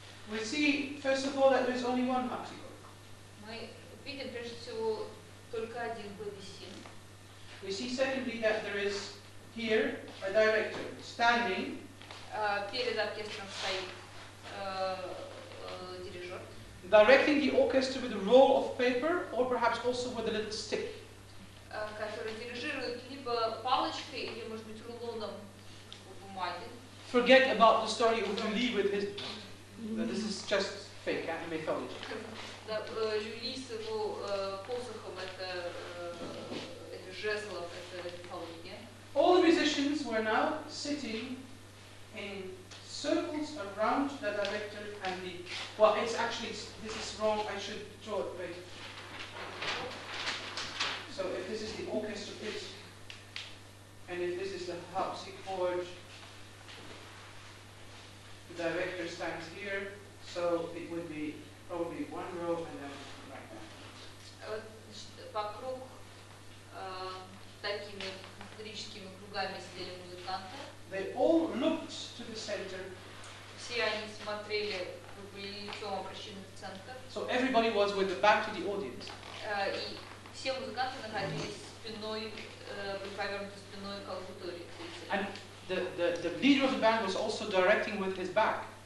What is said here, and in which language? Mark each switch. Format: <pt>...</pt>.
<en>we see, first of all, that there is only one maxime.</en> <ru>Мы видим, прежде всего, только один клавесин.</ru> <en>We see secondly that there is here a director standing.</en> <ru>Перед оркестром стоит дирижер.</ru> <en>Directing the orchestra with a roll of paper or perhaps also with a little stick.</en> <ru>Который дирижирует либо палочкой, или, может быть, рулоном бумаги.</ru> <en>Forget about the story of Julie with his... This is just fake, anime mythology.</en> <ru>Жюли с его посохом, это жезлов, это мифология.</ru> <en>All the musicians were now sitting in circles around the director and the... Well, it's actually, this is wrong, I should draw it, wait. So if this is the orchestra pit, and if this is the harpsichord, the director stands here, so it would be... Probably one row and then like that.</en> <ru>Вокруг такими концентрическими кругами сидели музыканты.</ru> <en>They all looked to the center.</en> <ru>Все они смотрели, были лицом обращены в центр.</ru> <en>So everybody was with the back to the audience.</en> <ru>И все музыканты находились спиной, повернуты спиной к аудитории.</ru> <en>And the leader of the band was also directing with his back.</en>